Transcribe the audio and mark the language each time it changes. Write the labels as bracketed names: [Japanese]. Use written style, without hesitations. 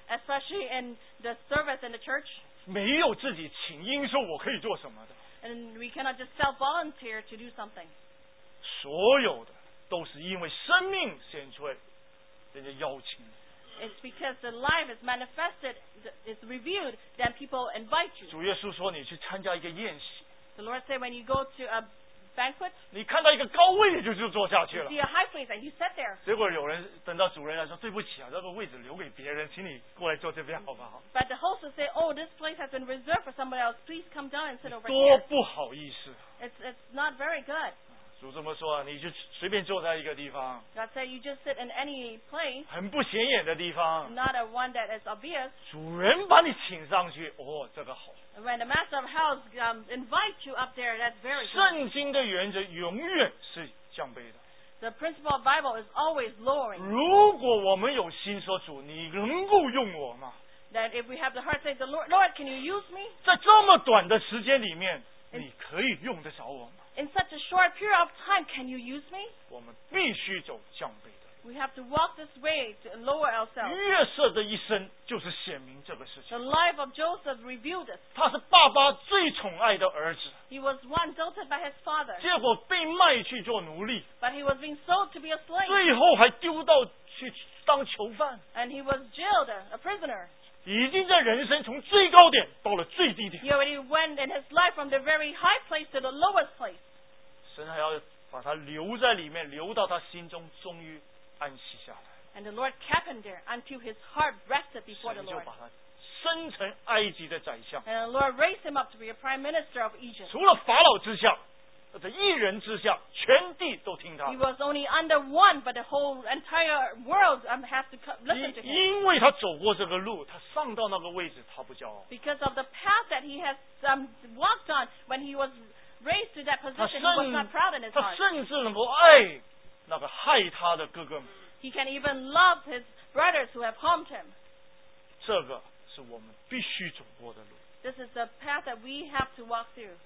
[English] Especially in the service in the church. [Chinese] 没有自己请缨说我可以做什么的。 [English] And we cannot just self-volunteer to do something. [Chinese] 所有的都是因为生命显出来，人家邀请。 [English] It's because the life is manifested, is revealed, then people invite you. [Chinese] 主耶稣说你去参加一个宴席。 [English] The Lord said when you go to a banquet, [Chinese] 你看到一个高位你就坐下去了。 [English] You see a high place and you sit there. [Chinese] 结果有人等到主人来说对不起啊，这个位置留给别人，请你过来坐这边好不好？ [English] But the host will say, oh, this place has been reserved for somebody else. Please come down and sit over here. [Chinese] 多不好意思。 [English] It's not very good. [Chinese] 主这么说啊，你就随便坐在一个地方。 [English] God said you just sit in any place. [Chinese] 很不显眼的地方。 [English] Not a one that is obvious. [Chinese] 主人把你请上去，哦，这个好。 [English] When the master of house invites you up there, that's very good. [Chinese] 圣经的原则永远是降卑的。 [English] The principle of Bible is always lowering. [Chinese] 如果我们有心说主，你能够用我吗？ [English] That if we have the heart say, the Lord, can you use me? [Chinese] 在这么短的时间里面，你可以用得着我吗？ [English] In such a short period of time, can you use me? [Chinese] 我们必须走降卑的。 [English] We have to walk this way to lower ourselves. [Chinese] 约瑟的一生就是显明这个事情。 [English] The life of Joseph revealed this. [Chinese] 他是爸爸最宠爱的儿子。 [English] He was one doted by his father. [Chinese] 结果被卖去做奴隶。 [English] But he was being sold to be a slave. [Chinese] 最后还丢到去当囚犯。 [English] And he was jailed, a prisoner. [Chinese] 已经在人生从最高点到了最低点。 [English] He already went in his life from the very high place to the lowest place. [Chinese] 神还要把他留在里面，留到他心中终于安息下来。 [English] And the Lord kept him there until his heart rested before the Lord. [Chinese] 神就把他升成埃及的宰相。 [English] And the Lord raised him up to be a prime minister of Egypt. [Chinese] 除了法老之下，这一人之下，全地都听他。 [English] He was only under one, but the whole entire world has to listen to him. [Chinese] 因为他走过这个路，他上到那个位置，他不骄傲。 [English] Because of the path that he has walked on when he was raised to that position, he was not proud in his heart. [Chinese] 他甚至能够爱那个害他的哥哥们。 [English] He can even love his brothers who have harmed him. [Chinese] 这个是我们必须走过的路。 [English] This is the path that we have to walk through.